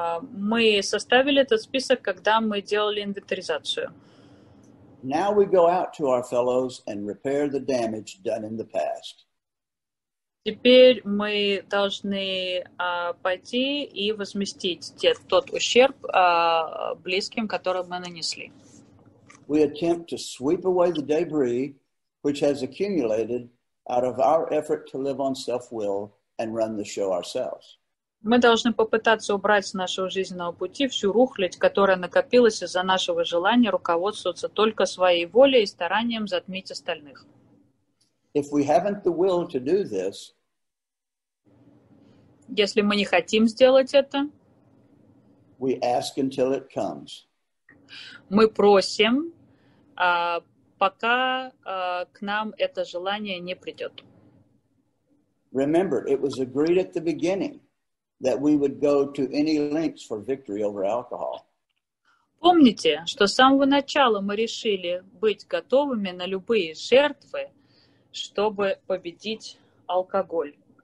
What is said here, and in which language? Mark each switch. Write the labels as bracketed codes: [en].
[ru] Мы составили этот список, когда мы делали инвентаризацию. [en] Now we go out to our fellows and repair the damage done in the past. [ru] Теперь мы должны пойти и возместить тот ущерб близким, который мы нанесли. [en] We attempt to sweep away the debris which has accumulated out of our effort to live on self-will and run the show ourselves. [ru] Мы должны попытаться убрать с нашего жизненного пути всю рухлядь, которая накопилась из-за нашего желания руководствоваться только своей волей и старанием затмить остальных. [en] If we haven't the will to do this, [ru] если мы не хотим сделать это, [en] we ask until it comes. [ru] Мы просим, пока к нам это желание не придет. [en] Remember, it was agreed at the beginning that we would go to any lengths for victory over alcohol. [ru] Помните, что с самого начала мы решили быть готовыми на любые жертвы, чтобы победить алкоголь.